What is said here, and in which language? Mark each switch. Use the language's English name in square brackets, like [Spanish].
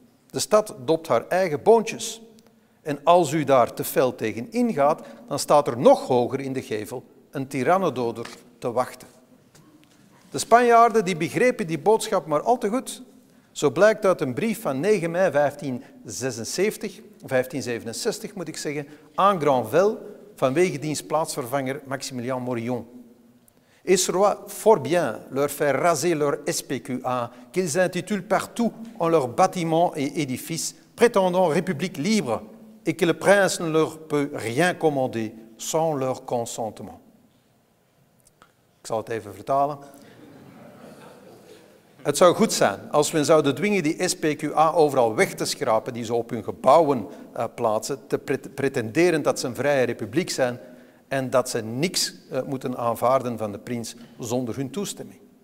[Dutch] De stad dopt haar eigen boontjes. En als u daar te fel tegen ingaat, dan staat er nog hoger in de gevel een tirannendoder te wachten. De Spanjaarden die begrepen die boodschap maar al te goed. Zo blijkt uit een brief van 9 mei 1567, moet ik zeggen, aan Granvelle, vanwege diens plaatsvervanger Maximilien Morillon. [French] Et serait fort bien leur faire raser leur SPQA, qu'ils intitulent partout en leurs bâtiments et édifices, prétendant république libre, et que le prince ne leur peut rien commander sans leur consentement. [Dutch] Ik zal het even vertalen. Het zou goed zijn als we zouden dwingen die SPQA overal weg te schrapen die ze op hun gebouwen plaatsen, te pretenderen dat ze een vrije republiek zijn en dat ze niks moeten aanvaarden van de prins zonder hun toestemming.